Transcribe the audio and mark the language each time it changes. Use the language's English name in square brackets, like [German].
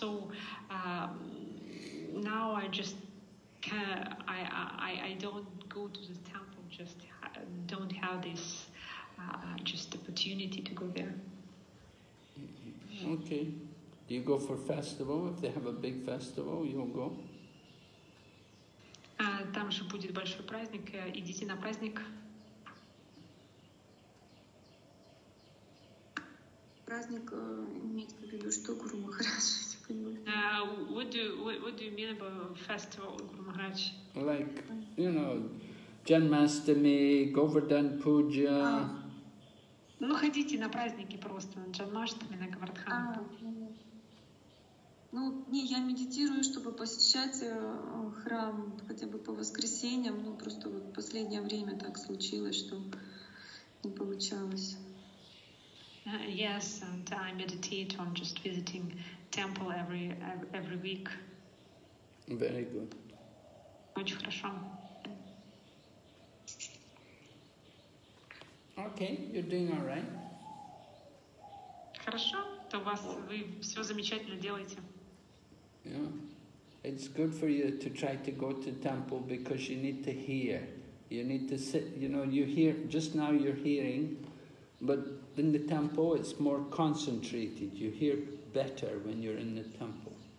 [English] So now I just I don't go to the temple. Just don't have this. Just opportunity to go there. Okay. Do you go for festival? If they have a big festival, you'll go. [Russian] Там же будет большой праздник. Идите на праздник. Праздник имеет в виду что, Гуру Махарадж? [English] What do you mean about festival, Гуру Махарадж? Like, you know, Janmashtami, Govardhan Puja. [Russian] Ну, ходите на праздники просто, на Джанмаштами, на Гавардхану. Ну, не, я медитирую, чтобы посещать храм хотя бы по воскресеньям. Ну, просто вот последнее время так случилось, что не получалось. [English] Yes, and I meditate on just visiting temple every week. Very good. [Russian] Очень хорошо. [English] Okay, you're doing all right. [Russian] Хорошо, то вы все замечательно делаете. [English] Yeah, it's good for you to try to go to temple because you need to hear. You need to sit, you know, you hear, just now you're hearing, but in the temple it's more concentrated. You hear better when you're in the temple.